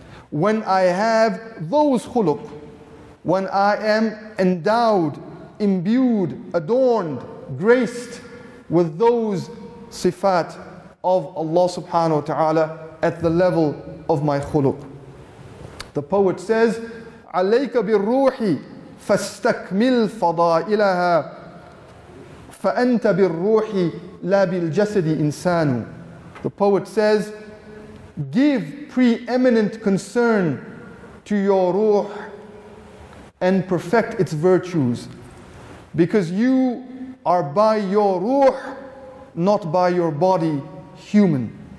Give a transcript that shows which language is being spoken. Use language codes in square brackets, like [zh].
[en] When I have those khuluq, when I am endowed, imbued, adorned, graced with those sifat of Allah subhanahu wa ta'ala at the level of my khuluq. [ar] The poet says, عَلَيْكَ بِالرُّوحِ فَاسْتَكْمِلْ فَضَائِلَهَا فَأَنْتَ بِالرُّوحِ لَا بِالْجَسَدِ إِنسَانُ. [en] The poet says, give preeminent concern to your ruh and perfect its virtues, because you are by your ruh, not by your body, human.